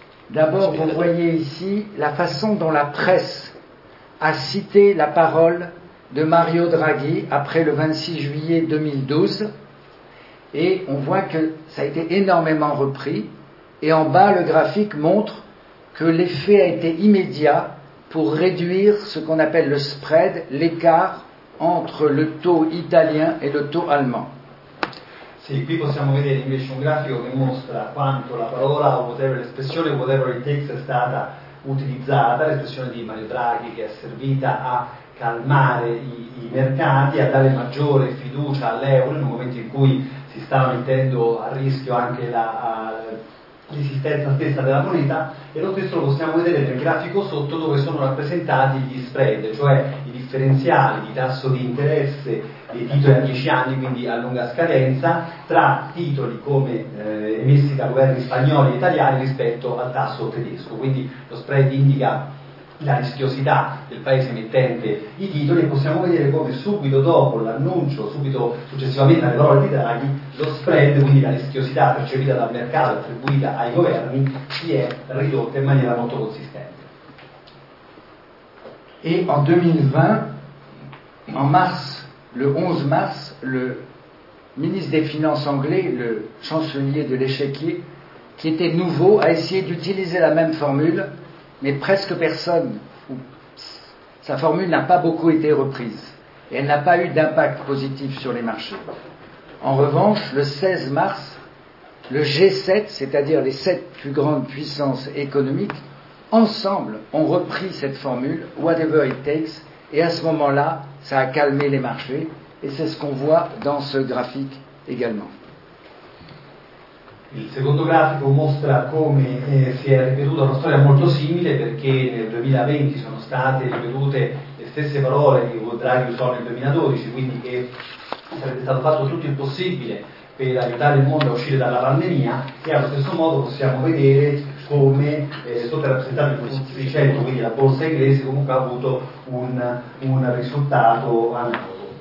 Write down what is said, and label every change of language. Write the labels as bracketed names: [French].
[French] D'abord, vous voyez ici la façon dont la presse a cité la parole de Mario Draghi après le 26 juillet 2012, et on voit que ça a été énormément repris, et en bas le graphique montre que l'effet a été immédiat pour réduire ce qu'on appelle le spread, l'écart entre le taux italien et le taux allemand. [Italian] Sì, qui possiamo vedere invece un grafico che mostra quanto la parola o whatever l'espressione [English] whatever it takes [Italian] è stata utilizzata, l'espressione di Mario Draghi che è servita a calmare i mercati, a dare maggiore fiducia all'euro nel momento in cui si stava mettendo a rischio anche l'esistenza stessa della moneta, e lo stesso lo possiamo vedere nel grafico sotto dove sono rappresentati gli spread, cioè i differenziali di tasso di interesse dei titoli a 10 anni, quindi a lunga scadenza, tra titoli come emessi da governi spagnoli e italiani rispetto al tasso tedesco. Quindi lo spread indica la rischiosità del paese emettente i titoli, e possiamo vedere come subito dopo l'annuncio, subito successivamente alle parole di Draghi, lo spread, quindi la rischiosità percepita dal mercato attribuita ai governi, si è ridotta in maniera molto consistente. [French] E en 2020, en mars, le 11 mars, le ministre des Finances anglais, le chancelier de l'échiquier, qui était nouveau, a essayé d'utiliser la même formule. Mais presque personne, sa formule n'a pas beaucoup été reprise et elle n'a pas eu d'impact positif sur les marchés. En revanche, le 16 mars, le G7, c'est-à-dire les 7 plus grandes puissances économiques, ensemble ont repris cette formule, [English] whatever it takes, [French] et à ce moment-là, ça a calmé les marchés, et c'est ce qu'on voit dans ce graphique également. [Italian] Il secondo grafico mostra come si è ripetuta una storia molto simile, perché nel 2020 sono state ripetute le stesse parole che Draghi usò nel 2012, quindi che sarebbe stato fatto tutto il possibile per aiutare il mondo a uscire dalla pandemia, e allo stesso modo possiamo vedere come sotto rappresentato il 100%, quindi la borsa inglese comunque ha avuto un risultato analogo.